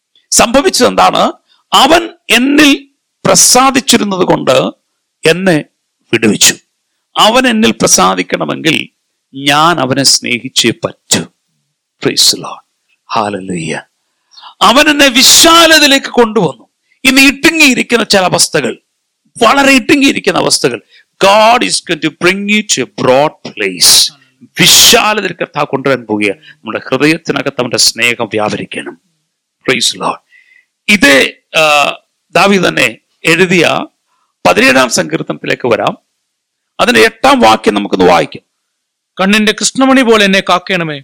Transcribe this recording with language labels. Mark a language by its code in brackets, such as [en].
[ml] സംഭവിച്ചത് എന്താണ്? അവൻ എന്നിൽ പ്രസാദിച്ചിരുന്നത് കൊണ്ട് എന്നെ വിടുവിച്ചു. അവൻ എന്നിൽ പ്രസാദിക്കണമെങ്കിൽ ഞാൻ അവനെ സ്നേഹിച്ചേ പറ്റൂ. Praise the Lord. ഹല്ലേലൂയ. അവൻ എന്നെ വിശാലതയിലേക്ക് കൊണ്ടുവന്നു. ഇനി ഇട്ടുങ്ങിയിരിക്കുന്ന ചില അവസ്ഥകൾ, വളരെ ഇട്ടുങ്ങിയിരിക്കുന്ന അവസ്ഥകൾ, [en] God is going to bring you to a broad place. [ml] വിശാലതയിൽ കർത്താവ് കൊണ്ടുവരാൻ പോകുക. നമ്മുടെ ഹൃദയത്തിനകത്ത് അവന്റെ സ്നേഹം വ്യാപരിക്കണം. Praise the Lord. ഇതേ ദാവീദ് തന്നെ എഴുതിയ 17-ാം സങ്കീർത്തനത്തിലേക്ക് വരാം. അതിന്റെ 8-ാം വാക്യം നമുക്കൊന്ന് വായിക്കാം. കണ്ണിന്റെ കൃഷ്ണമണി പോലെ എന്നെ കാക്കണമേ.